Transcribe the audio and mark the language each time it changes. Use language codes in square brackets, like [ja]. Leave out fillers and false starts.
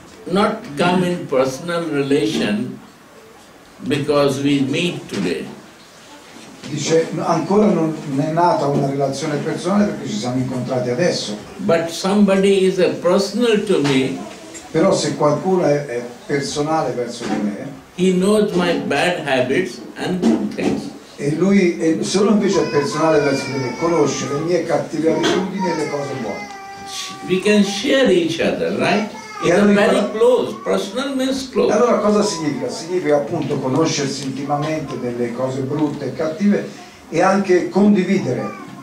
[en] Not come in personal relation because we meet today. [it] Dice ancora non è nata una relazione personale perché ci siamo incontrati adesso. [en] But somebody is a personal to me. [it] Però se qualcuno è personale verso di me. [en] He knows my bad habits and good things. [it] E lui è solo invece è personale verso di me, conosce le mie cattive abitudini e le cose buone. [en] We can share each other, right? It's allora, very close. Personal means close. [it] Allora cosa significa? Significa appunto conoscersi intimamente delle cose brutte e cattive e anche condividere.